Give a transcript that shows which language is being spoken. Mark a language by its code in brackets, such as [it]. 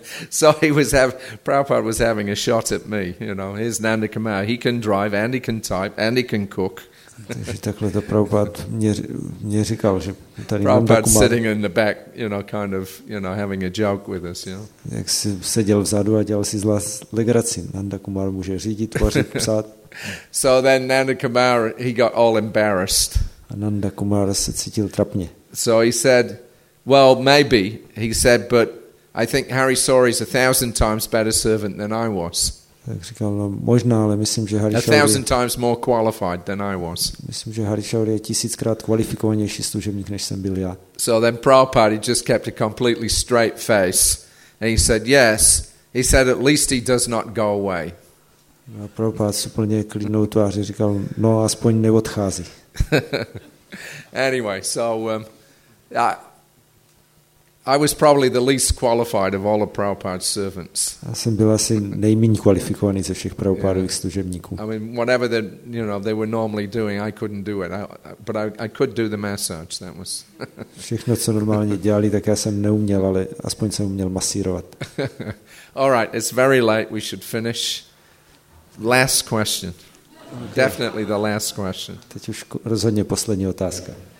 [en] So he was Prabhupada was having a shot at me, you know, here's Nanda Kumar, he can drive, and he can type, and he can cook. [cs] Takže takhle to Prabhupád mě říkal, že tady [en] Prabhupád sitting in the back, you know, kind of, you know, having a joke with us, you know. [cs] Jak si seděl vzadu a dělal si zlá legraci. Nanda Kumar může řídit, vařit, psát. [en] So then Nanda Kumar, he got all embarrassed. [cs] A Nanda Kumar se cítil trapně. [en] So he said, well, maybe, he said, but I think Hari Sori is 1,000 times better servant than I was. [cs] Tak říkal, no, možná, ale myslím, že Hari [en] Shaury. 1,000 times more qualified than I was. [cs] Myslím, že Hari Shaury je 1,000x kvalifikovanější služebník, než jsem byl já. [en] So then Prabhupada just kept a completely straight face, and he said, yes. He said, at least he does not go away. [cs] No, a Prabhupada s úplně klidnou tváří říkal, no, aspoň neodchází. [en] Anyway, so I was probably the least qualified of all of Prabhupada's servants. [cs] Já jsem byl asi nejméně kvalifikovaný ze všech Prabhupádových služebníků. [en] I mean, whatever they, you know, they were normally doing, I couldn't do it. But I could do the massage. That was. [cs] Všechno, co normálně dělali, tak já jsem neuměl, ale aspoň jsem uměl masírovat. [en] All right, it's very late. We should finish. Last question. Okay. Definitely the last question. [cs] Teď už rozhodně poslední otázka.